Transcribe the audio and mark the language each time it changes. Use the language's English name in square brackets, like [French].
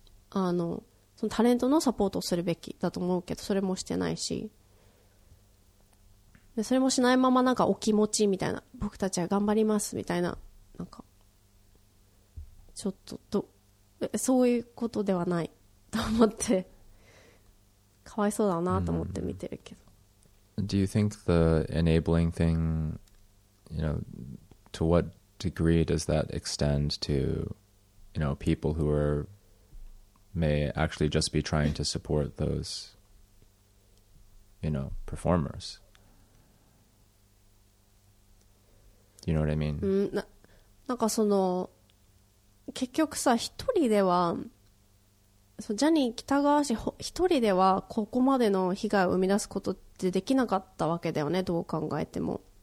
[Japanese] あのそのタレントのサポートをするべきだと思うけど、それもしてないし、でそれもしないままなんかお気持ちみたいな、僕たちは頑張りますみたいな、なんかちょっとそういうことではないと思ってかわいそうだなと思って見てるけど、うん、 [English] Do you think the enabling thing, you know, to what degree does that extend to, you know, people who are, may actually just be trying to support those, you know, performers? You know what I mean? [Japanese] なんかその、結局さ、一人では、ジャニー北川氏一人ではここまでの被害を生み出すことってできなかったわけだよね、どう考えても。